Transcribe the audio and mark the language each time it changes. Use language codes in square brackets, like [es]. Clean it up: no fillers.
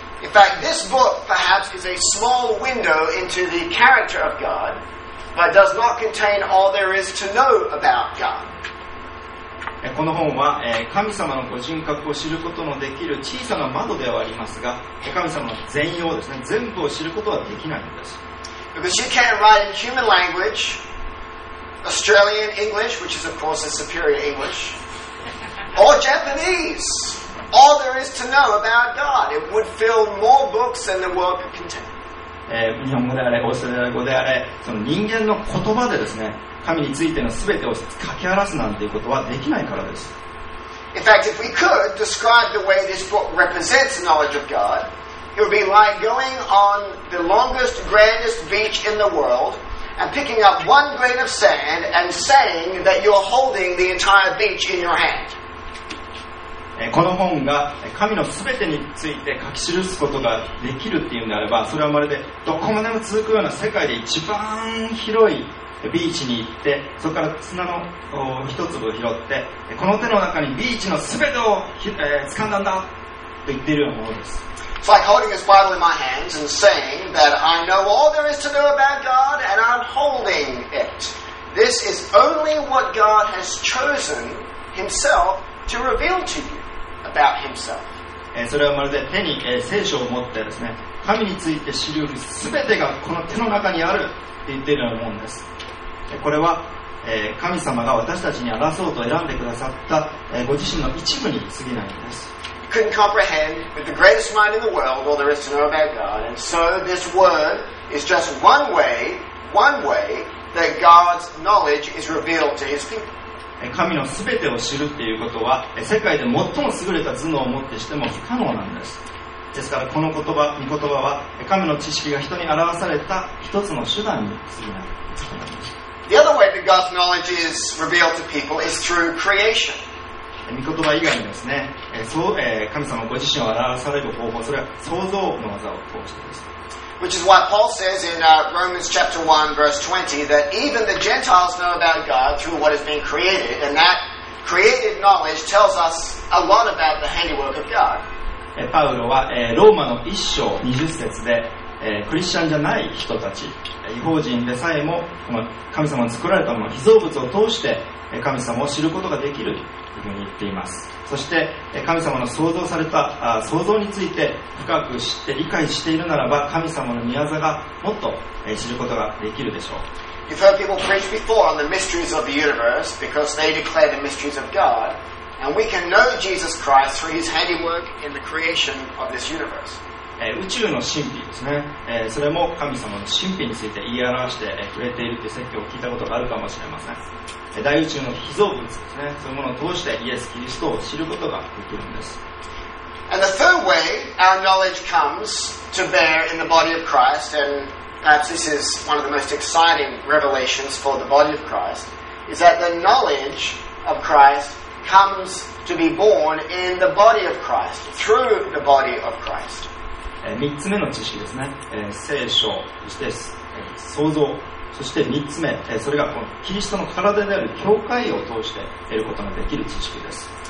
[en] In fact, this book perhaps is a small window into the character of God, but does not contain all there is to know about God. [ja] この本は神様のご人格を知ることのできる小さな窓ではありますが、神様の全容ですね、全部を知ることはできないんです。 [en] Because you can't write in human language, Australian English, which is of course a superior English, or Japanese, all there is to know about God. It would fill more books than the world could contain. [ja] 日本語であれ、オーストラリア語であれ、その人間の言葉でですね、神についての全てを書き表すなんていうことはできないからです。 [en] In fact, if we could describe the way this book represents knowledge of God, it would be like going on the longest, grandest beach in the world and picking up one grain of sand and saying that you're holding the entire beach in your hand. [ja] この本が神の全てについて書き記すことができるっていうんであれば、それはまるでどこまでも続くような世界で一番広いビーチに行って、そこから砂の一粒を拾って、この手の中にビーチのすべてを掴んだんだと言っているようなものです。 [en] It's like holding his Bible in my hands and saying that I know all there is to know about God and I'm holding it. This is only what God has chosen himself to reveal to you about himself. [ja] それはまるで手に聖書を持ってですね、神について知るすべてがこの手の中にあると言っているようなものです。これは神様が私たちに話そうと選んでくださったご自身の一部に過ぎないんです。 [en] Couldn't comprehend with the greatest mind in the world all there is to know about God. And so this word is just one way that God's knowledge is revealed to his people. [ja] 神のすべてを知るっていうことは、世界で最も優れた頭脳を持ってしても不可能なんです。ですからこの言葉、御言葉は神の知識が人に表された一つの手段に過ぎない。 [en] The other way that God's knowledge is revealed to people is through creation. [ja] 御言葉以外にですね、神様ご自身を表される方法、それは創造の技を通してです。 [en] Which is why Paul says in Romans chapter 1 verse 20 that even the Gentiles know about God through what has been created, and that created knowledge tells us a lot about the handiwork of God. [ja] パウロはローマの一章二十節で、クリスチャンじゃない人たち、異邦人でさえも、この神様の作られたもの、被造物を通して神様を知ることができるというふうに言っています。そして神様の創造された創造について深く知って理解しているならば、神様の御業がもっと知ることができるでしょう。 [en] You've heard people preach before on the mysteries of the universe because they declare the mysteries of God, and we can know Jesus Christ through his handiwork in the creation of this universe. [ja] 宇宙の神秘ですね、それも神様の神秘について言い表してくれているという説教を聞いたことがあるかもしれません。大宇宙の被造物ですね、そういうものを通してイエス・キリストを知ることができるんです。 [en] And the third way our knowledge comes to bear in the body of Christ and perhaps this is one of the most exciting revelations for the body of Christ, is that the knowledge of Christ comes to be born in the body of Christ, through the body of Christ. [ja] 3つ目の知識ですね。聖書、そして創造、そして3つ目、それがこのキリストの体である教会を通して得ることができる知識です。